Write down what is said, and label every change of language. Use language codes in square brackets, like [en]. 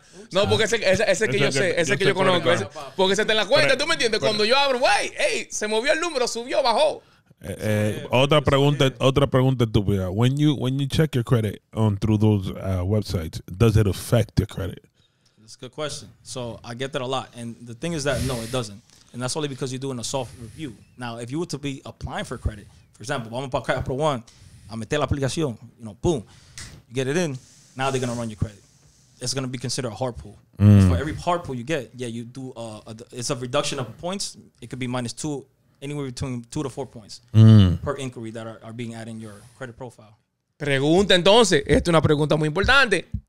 [es] No, porque ese que yo sé, ese que yo conozco. Porque se te la cuenta, ¿tú me entiendes? Cuando yo abro, güey, hey, se movió el número, subió, bajó. Otra pregunta estúpida. [en] When you check your credit on through those websites, does it affect your credit? That's a good question. So I get that a lot. And the thing is that no, it doesn't. And that's only because you're doing a soft review. Now, if you were to be applying for credit, for example, [es] vamos para Credit Pro One, [en] I [es] meter la aplicación, [en] you know, boom. You get it in, now they're going to run your credit. It's going to be considered a hard pull. Mm. For every hard pull you get, yeah, you do it's a reduction of points. It could be minus two, anywhere between 2 to 4 points per inquiry that are being added in your credit profile. [es] Pregunta entonces, esta es una pregunta muy importante.